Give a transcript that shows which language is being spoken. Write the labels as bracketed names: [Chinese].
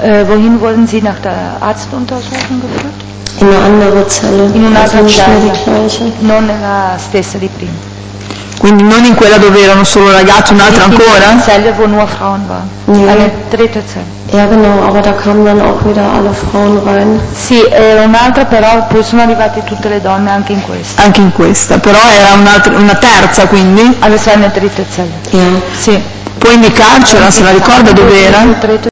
[German] Wohin wurden Sie nach der Arztuntersuchung geführt? [Italian] In un'altra cella. In un'altra cella. Non nella stessa di prima. Quindi non in quella dove erano solo ragazzi, un'altra ancora? In quella dove [German] nur Frauen waren. Nee. Eine dritte Zelle. Ja, genau, aber da kamen dann auch wieder alle Frauen rein. [Italian] Sì, un'altra, però poi sono arrivate tutte le donne anche in questa. Anche in questa, però era una terza, quindi? Adesso è una dritta cella. [German] Ja. [Italian] Sì. Può indicarcela, se la ricorda, dove era?